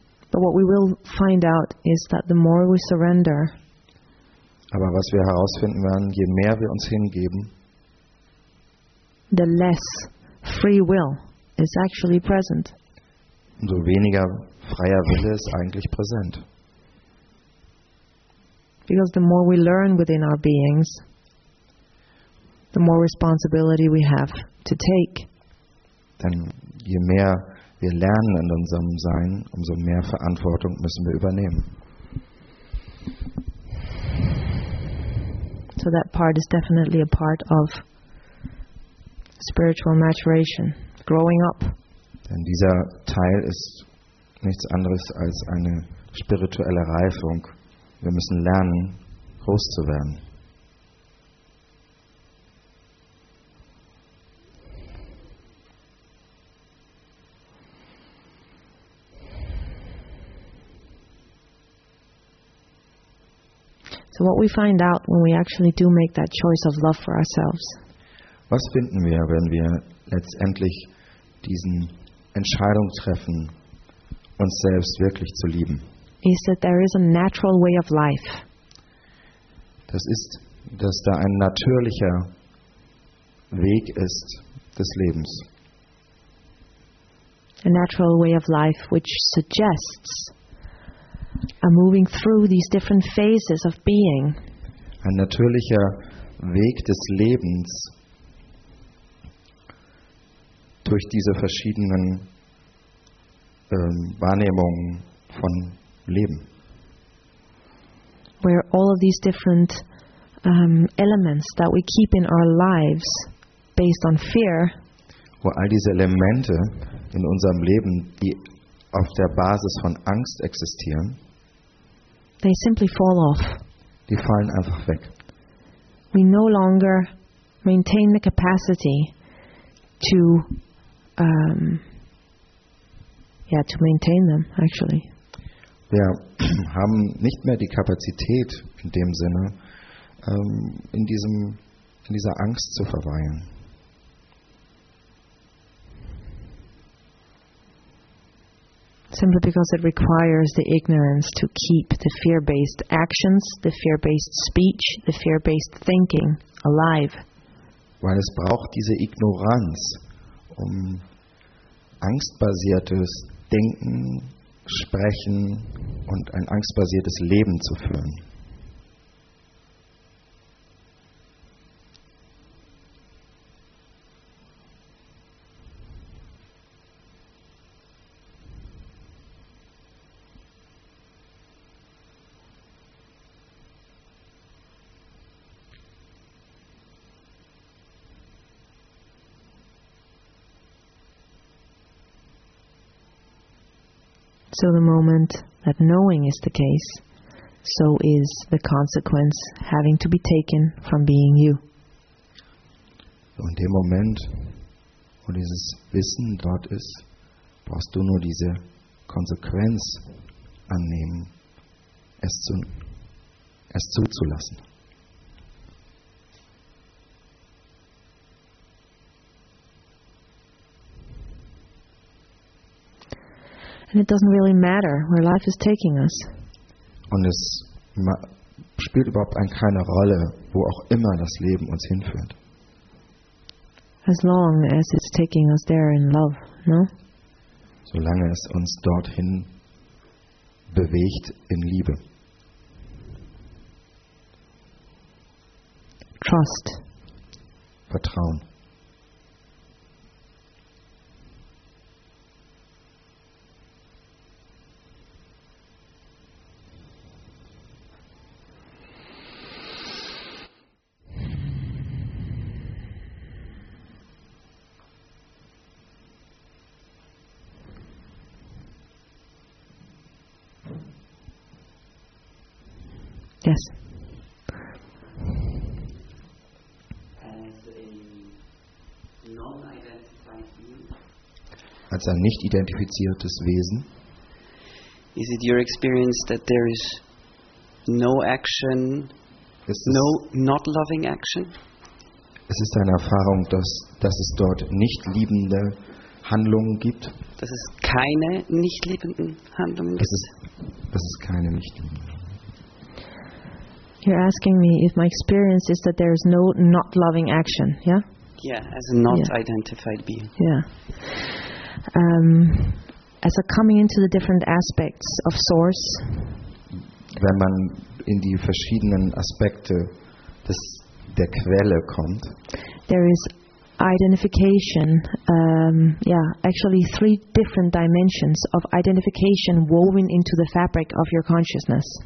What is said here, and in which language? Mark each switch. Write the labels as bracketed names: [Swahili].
[English] But what we will find out is that the more we surrender. [German] Aber was wir herausfinden werden, je mehr wir uns hingeben, [English] the less free will is actually present. [German] Umso weniger freier Wille ist eigentlich präsent. [English] Because the more we learn within our beings, the more responsibility we have to take. [German] Dann je mehr wir lernen in unserem Sein, umso mehr Verantwortung müssen wir übernehmen. [English] So that part is definitely a part of spiritual maturation, growing up. [German] Denn dieser Teil ist nichts anderes als eine spirituelle Reifung. Wir müssen lernen, groß zu werden. [English] So what we find out when we actually do make that choice of love for ourselves. [German] Was finden wir, wenn wir letztendlich diesen Entscheidung treffen, uns selbst wirklich zu lieben? [English] Is that there is a natural way of life. [German] Das ist, dass da ein natürlicher Weg ist des Lebens. [English] A natural way of life which suggests a moving through these different phases of being. [German] Ein natürlicher Weg des Lebens durch diese verschiedenen Wahrnehmungen von Leben. [English] Where all of these different elements that we keep in our lives based on fear. [German] Wo all diese Elemente in unserem Leben, die auf der Basis von Angst existieren, [English] they simply fall off. [German] Die fallen einfach weg. [English] We no longer maintain the capacity to to maintain them actually. [German] Wir haben nicht mehr die Kapazität in dem Sinne in dieser Angst zu verweilen. [English] Simply because it requires the ignorance to keep the fear-based actions, the fear-based speech, the fear-based thinking alive. [German] Weil es braucht diese Ignoranz, um angstbasiertes Denken, sprechen und ein angstbasiertes Leben zu führen. [English] So the moment that knowing is the case, so is the consequence having to be taken from being you. [German] So in dem Moment, wo dieses Wissen dort ist, brauchst du nur diese Konsequenz annehmen, es zuzulassen. [English] And it doesn't really matter where life is taking us. [German] Und es spielt überhaupt keine Rolle, wo auch immer das Leben uns hinführt. [English] As long as it's taking us there in love, no? [German] Solange es uns dorthin bewegt in Liebe. [English] Trust. [German] Vertrauen. [English] Yes. As a non-identified being, [German] als ein nicht identifiziertes Wesen, [English] is it your experience that there is no action, no not loving action? [German] Es ist deine Erfahrung, dass es dort nicht liebende Handlungen gibt? Dass es keine nicht liebenden Handlungen gibt? Dass es keine nicht liebenden Handlungen gibt. [English] You're asking me if my experience is that there is no not loving action, yeah? Yeah, as a not identified being. Yeah. As a coming into the different aspects of source. [German] Wenn man in die verschiedenen Aspekte der Quelle kommt. [English] There is identification. Actually three different dimensions of identification woven into the fabric of your consciousness.